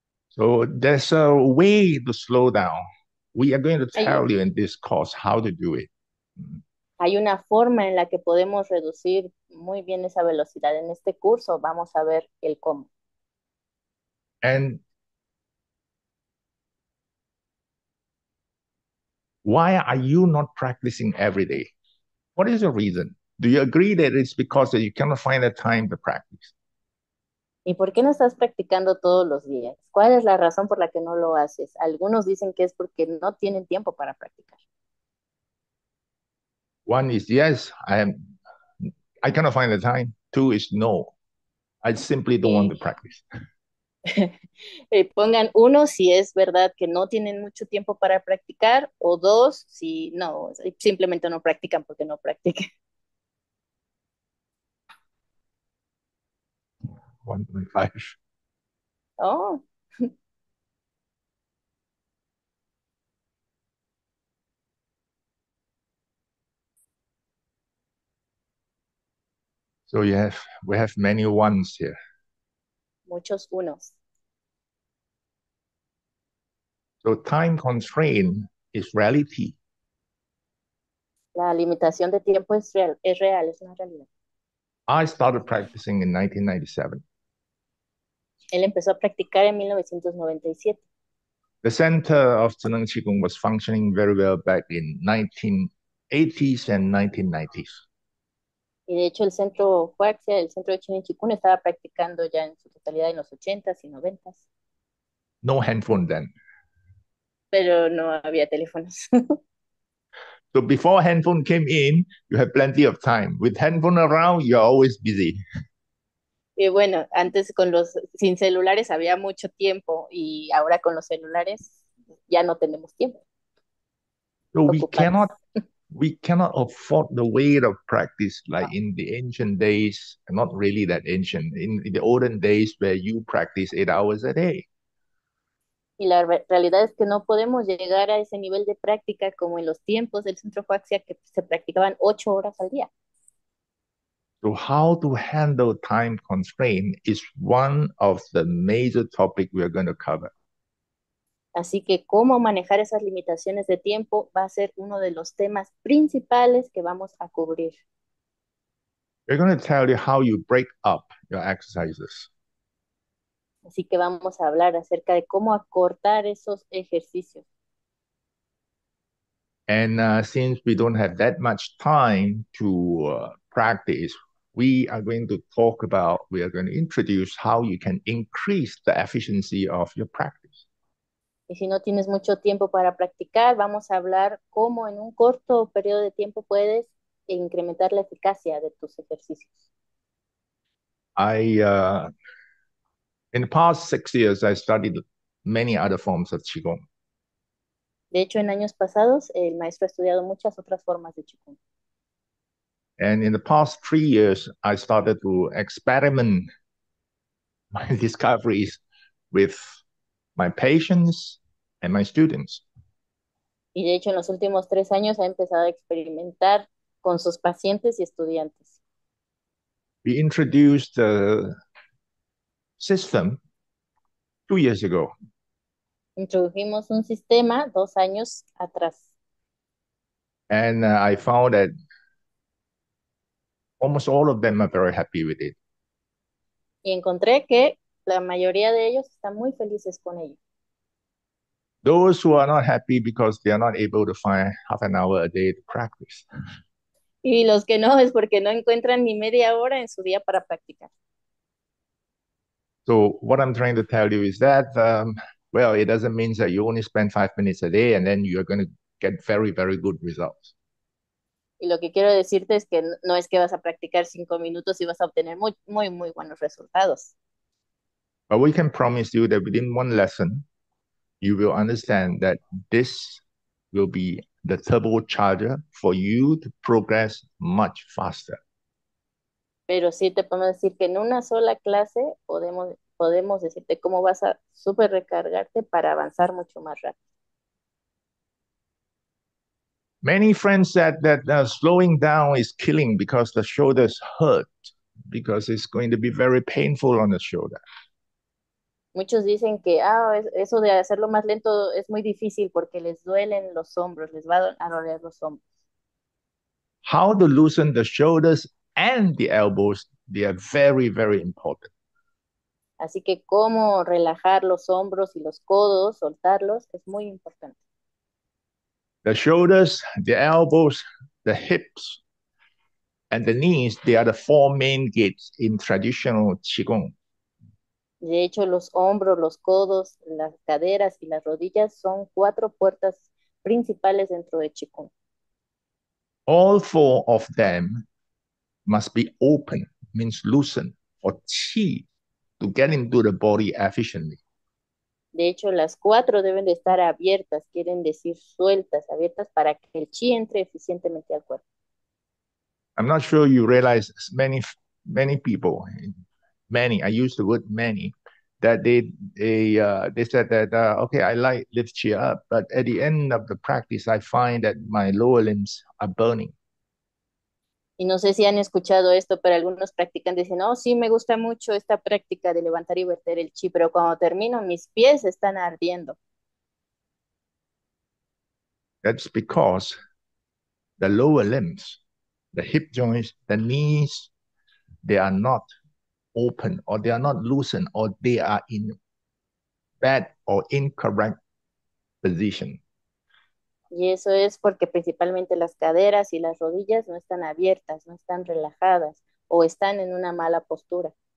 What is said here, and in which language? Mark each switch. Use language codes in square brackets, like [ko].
[en] So there's a way to slow down. We are going to tell you in this course how to do it. [es] Hay una forma en la que podemos reducir muy bien esa velocidad. En este curso vamos a ver el cómo. [en] And why are you not practicing every day? What is the reason? Do you agree that it's because that you cannot find the time to practice? [es] ¿Y por qué no estás practicando todos los días? ¿Cuál es la razón por la que no lo haces? Algunos dicen que es porque no tienen tiempo para practicar. [en] One is yes, I cannot find the time. Two is no. I simply don't want to practice. [es] Pongan uno si es verdad que no tienen mucho tiempo para practicar, o dos si no, simplemente no practican porque no practican. [en] One point five. Oh. So we have many ones here. [es] Muchos unos. [en] So time constraint is reality. [es] La limitación de tiempo es real, es una realidad. [en] I started practicing in 1997. [es] Él empezó a practicar en 1997. [en] The center of Zhenneng Qigong was functioning very well back in 1980s and 1990s. [es] Y de hecho el centro Huaxia, el centro de China Chikun, estaba practicando ya en su totalidad en los 80s y 90s. [en] No handphone then. [es] Pero no había teléfonos. [en] So before handphone came in, you had plenty of time. With handphone around, you're always busy. [es] Y bueno, antes con los sin celulares había mucho tiempo y ahora con los celulares ya no tenemos tiempo. [en] So [es] ocupadas. [en] we cannot afford the weight of practice like in the ancient days, not really that ancient, in the olden days where you practice 8 hours a day. [es] Y la re realidad es que no podemos llegar a ese nivel de práctica como en los tiempos del centro Huaxia, que se practicaban 8 horas al día. [en] So how to handle time constraint is one of the major topics we are going to cover. [es] Así que cómo manejar esas limitaciones de tiempo va a ser uno de los temas principales que vamos a cubrir. [en] We're going to tell you how you break up your exercises. [es] Así que vamos a hablar acerca de cómo acortar esos ejercicios. [en] And since we don't have that much time to practice, we are going to introduce how you can increase the efficiency of your practice. [es] Y si no tienes mucho tiempo para practicar, vamos a hablar cómo en un corto periodo de tiempo puedes incrementar la eficacia de tus ejercicios. [en] In the past 6 years, I studied many other forms of Qigong. [es] De hecho, en años pasados, el maestro ha estudiado muchas otras formas de Qigong. [en] And in the past 3 years, I started to experiment my discoveries with my patients and my students. [es] Y de hecho, en los últimos 3 años ha empezado a experimentar con sus pacientes y estudiantes. [en] We introduced a system 2 years ago. [es] Introdujimos un sistema 2 años atrás. [en] And I found that almost all of them are very happy with it. [es] Y encontré que la mayoría de ellos están muy felices con ello. [en] Those who are not happy because they are not able to find half an hour a day to practice. [es] Y los que no, es porque no encuentran ni media hora en su día para practicar. [en] So what I'm trying to tell you is that, well, it doesn't mean that you only spend 5 minutes a day and then you're going to get very, very good results. [es] Y lo que quiero decirte es que no es que vas a practicar 5 minutos y vas a obtener muy, muy, muy buenos resultados. [en] But we can promise you that within one lesson, you will understand that this will be the turbocharger for you to progress much faster. [es] Pero sí te podemos decir que en una sola clase podemos decirte cómo vas a super recargarte para avanzar mucho más rápido. [en] Many friends said that slowing down is killing because the shoulders hurt, because it's going to be very painful on the shoulder. [es] Muchos dicen que eso de hacerlo más lento es muy difícil porque les duelen los hombros, les va a doler los hombros. [en] How to loosen the shoulders and the elbows, they are very, very important. [es] Así que cómo relajar los hombros y los codos, soltarlos, es muy importante. [en] The shoulders, the elbows, the hips, and the knees, they are the four main gates in traditional Qigong. [es] De hecho, los hombros, los codos, las caderas y las rodillas son 4 puertas principales dentro de Qigong. [en] All four of them must be open, means loosen, for qi to get into the body efficiently. [es] De hecho, las cuatro deben de estar abiertas, quieren decir sueltas, abiertas para que el chi entre eficientemente al cuerpo. [en] I'm not sure you realize many, many people, many, I use the word many, that they said that okay, I like lift chi up, but at the end of the practice, I find that my lower limbs are burning. [es] Y no sé si han escuchado esto, pero algunos practicantes dicen, oh, sí, me gusta mucho esta práctica de levantar y verter el chi, pero cuando termino, mis pies están ardiendo. [en] That's because the lower limbs, the hip joints, the knees, they are not open or they are not loosened or they are in bad or incorrect position. [es] Y eso es porque principalmente las caderas y las rodillas no están abiertas, no están relajadas o están en una mala postura.